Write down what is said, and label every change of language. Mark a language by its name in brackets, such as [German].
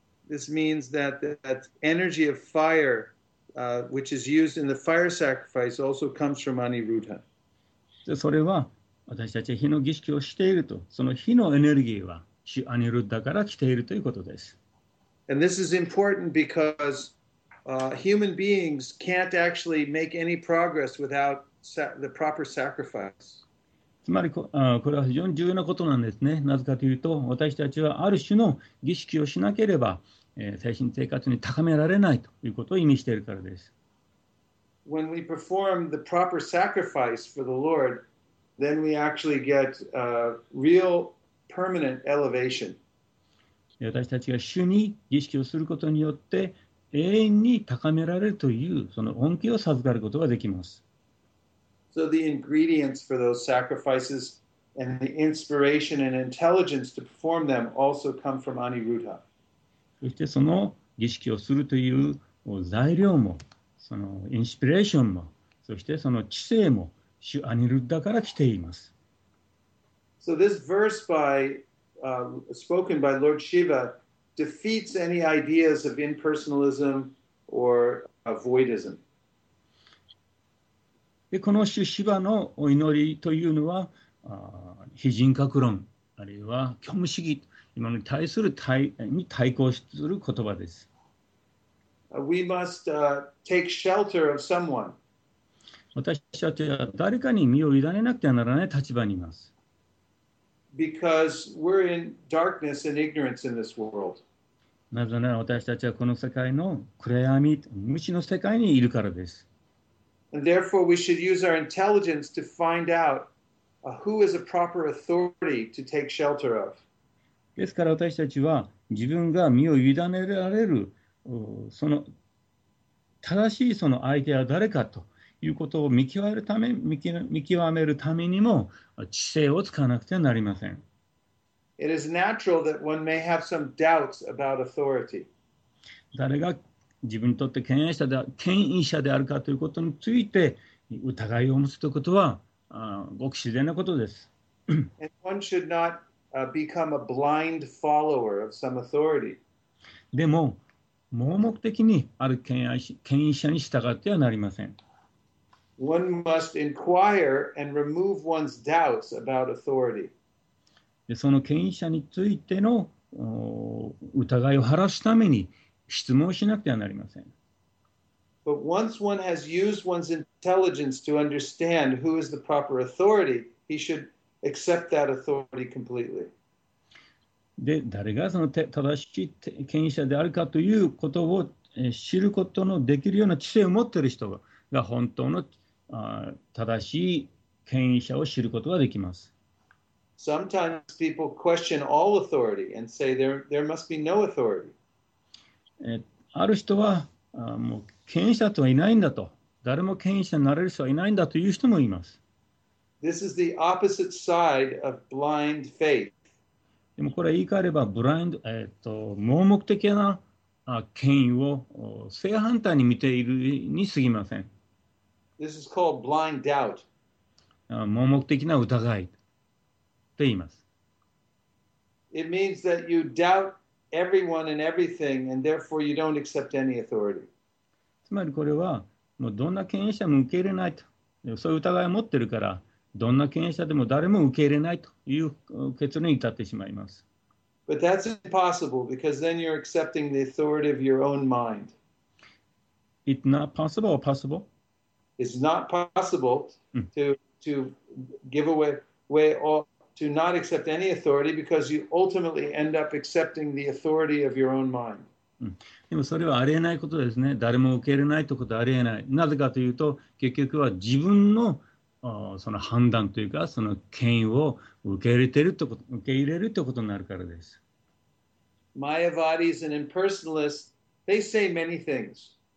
[English] This means that energy of fire, which is used in the fire sacrifice, also comes from Aniruddha. [Japanese] で、それは私たちは火の儀式をしていると、その火のエネルギーは主アニルッダから来ているということです。 [English] And this is important because human beings can't actually make any progress without the proper sacrifice. [Japanese] つまり これは非常に重要なことなんですね。なぜかというと、私たちはある種の儀式をしなければ精神生活に高められないということを意味しているからです。 [English] When we perform the proper sacrifice for the Lord, then we actually get a real permanent elevation. [Japanese] 私たちが主に儀式をすることによって永遠に高められるというその恩恵を授かることができます。 [English] So the ingredients for those sacrifices and the inspiration and intelligence to perform them also come from Aniruddha. [Japanese] そしてその儀式をするという材料も、そのインスピレーションも、そしてその知性も、主アニルッダから来ています。 [English] So this verse by, spoken by Lord Shiva defeats any ideas of impersonalism or voidism. [Japanese] で、この主シヴァのお祈りというのは、非人格論、あるいは虚無主義、今に対する に対抗する言葉です。 [English] We must take shelter of someone. [Japanese] 私たちは誰かに身を委ねなくてはならない立場にいます。 [English] Because we're in darkness and ignorance in this world. [Japanese] なぜなら私たちはこの世界の暗闇、無知の世界にいるからです。 [English] And therefore we should use our intelligence to find out who is a proper authority to take shelter of. [Japanese] ですから私たちは自分が身を委ねられるその正しいその相手は誰かということを見極めるためにも知性を使わなくてはなりません。 [English] It is natural that one may have some doubts about authority. [Japanese] 誰が自分にとって権威者であるかということについて疑いを持つということはごく自然なことです。 [English] And one should notbecome a blind follower of some authority. [Japanese] でも盲目的にある権威者に従ってはなりません。 [English] One must inquire and remove one's doubts about authority. [Japanese] でその権威者についての疑いを晴らすために質問しなくてはなりません。 [English] But once one has used one's intelligence to understand who is the proper authority, he should...accept that authority completely. [Japanese] で、誰がその正しい権威者であるかということを知ることのできるような知性を持っている人が本当の正しい権威者を知ることができます。 [English] Sometimes people question all authority and say there must be no authority. [Japanese] ある人はもう権威者とはいないんだと、誰も権威者になれる人はいないんだという人もいます。 [English] This is the opposite side of blind faith. [Japanese] でもこれ言い換えればブラインド、盲目的な権威を正反対に見ているに過ぎません。 [English] This is called blind doubt. [Japanese] 盲目的な疑いと言います。 [English] It means that you doubt everyone and everything and therefore you don't accept any authority. [Japanese] つまりこれはもうどんな権威者も受け入れないと、そういう疑いを持ってるから、どんな権威者でも誰も受け入れないという結論に至ってしまいます。 [English] But that's impossible because then you're accepting the authority of your own mind. It's not possible or possible? It's not possible to give away or to not accept any authority because you ultimately end up accepting the authority of your own mind. [Japanese] でもそれはありえないことですね。誰も受け入れないということはありえない。なぜかというと、結局は自分のその判断というかその権威を受け入れてるってこと、受け入れるってことになるからです。 [English] Mayavadis and impersonalists, they say many things.